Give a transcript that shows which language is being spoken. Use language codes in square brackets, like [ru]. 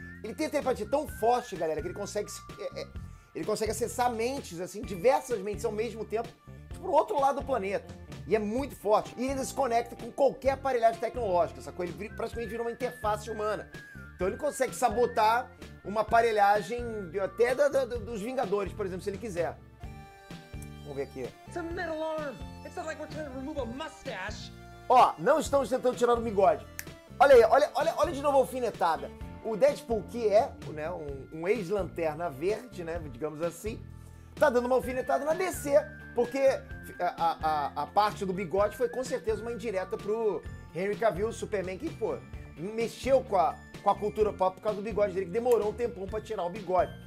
[pt] Ele tem a telepatia tão forte, galera, que ele consegue acessar mentes, assim, diversas mentes ao mesmo tempo, pro outro lado do planeta. E é muito forte. E ele ainda se conecta com qualquer aparelhagem tecnológica, sacou? Ele praticamente vira uma interface humana. Então ele consegue sabotar uma aparelhagem até dos Vingadores, por exemplo, se ele quiser. Vamos ver aqui. [en] It's a metal arm. It's not like we're trying to remove a mustache. [pt] Ó, não estamos tentando tirar o bigode. Olha aí, olha de novo a alfinetada. O Deadpool, que é, né, um ex-Lanterna Verde, né, digamos assim, tá dando uma alfinetada na DC, porque a parte do bigode foi com certeza uma indireta pro Henry Cavill, Superman, que, pô, mexeu com a cultura pop por causa do bigode dele, que demorou um tempão pra tirar o bigode.